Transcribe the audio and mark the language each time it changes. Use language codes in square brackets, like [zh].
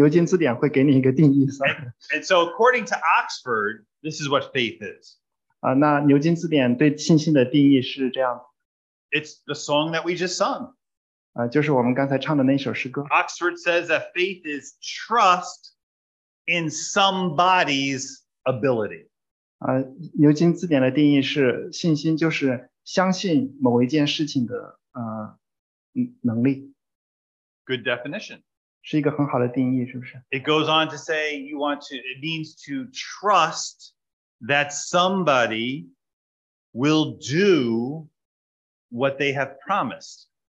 [zh] 对，牛津字典会给你一个定义。 [en] And so according to Oxford, this is what faith is. [zh] 那牛津字典对信心的定义是这样。 [en] It's the song that we just sung. [zh] 就是我们刚才唱的那首诗歌。 [en] Oxford says that faith is trust in somebody's ability. [zh] 牛津字典的定义是信心就是相信某一件事情的能力。 [en] Good definition. [zh] 是一个很好的定义，是不是? [en] It goes on to say you want to, it means to trust that somebody will do what they have promised.